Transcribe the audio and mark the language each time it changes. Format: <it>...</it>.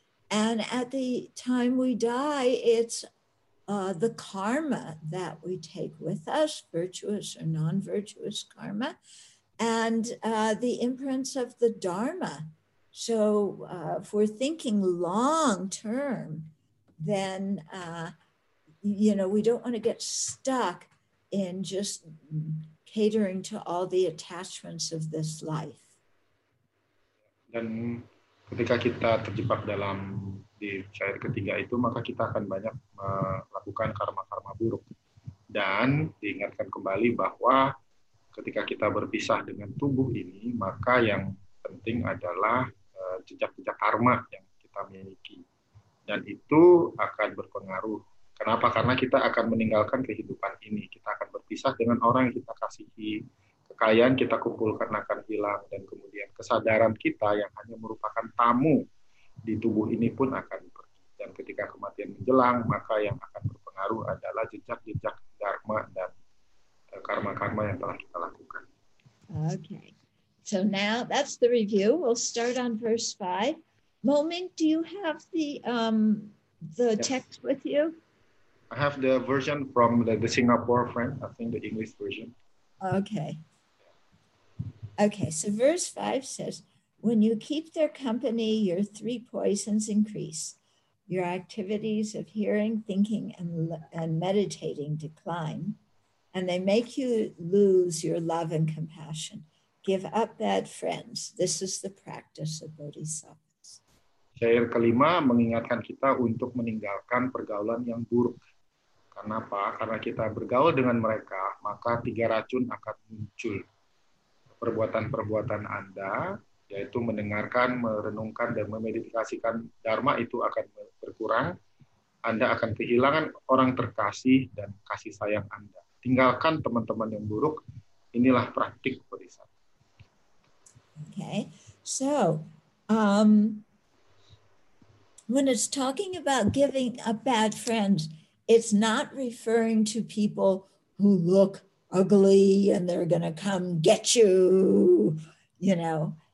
<en>And at the time we die, it's the karma that we take with us, virtuous or non-virtuous karma, and the imprints of the Dharma. So if we're thinking long term, then you know, we don't want to get stuck in just catering to all the attachments of this life.</en> <id>Dan ketika kita terjebak dalam di cair ketiga itu, maka kita akan banyak melakukan karma-karma buruk. Dan diingatkan kembali bahwa ketika kita berpisah dengan tubuh ini, maka yang penting adalah jejak-jejak karma yang kita miliki. Dan itu akan berpengaruh. Kenapa? Karena kita akan meninggalkan kehidupan ini. Kita akan berpisah dengan orang yang kita kasihi. Kekayaan kita kumpulkan akan hilang. Dan kemudian kesadaran kita yang hanya merupakan tamu di tubuh ini pun akan pergi. Dan ketika kematian menjelang, maka yang akan berpengaruh adalah jejak-jejak dharma dan karma-karma yang telah kita lakukan.</id> <en>Okay. So now that's the review. We'll start on verse 5. Moment, do you have the yes. text with you? I have the version from the Singapore friend, I think the English version. Okay. Okay, so verse 5 says, when you keep their company, your three poisons increase. Your activities of hearing, thinking, and meditating decline, and they make you lose your love and compassion. Give up bad friends. This is the practice of bodhisattva.</en> <id>Cair kelima mengingatkan kita untuk meninggalkan pergaulan yang buruk. Kenapa? Karena kita bergaul dengan mereka, maka tiga racun akan muncul. Perbuatan-perbuatan Anda, yaitu mendengarkan, merenungkan, dan memeditasikan dharma itu akan berkurang. Anda akan kehilangan orang terkasih dan kasih sayang Anda. Tinggalkan teman-teman yang buruk, inilah praktik bodhisattva.</id> <en>Okay, so when it's talking about giving up bad friends, it's not referring to people who look ugly and they're going to come get you, you know.</en>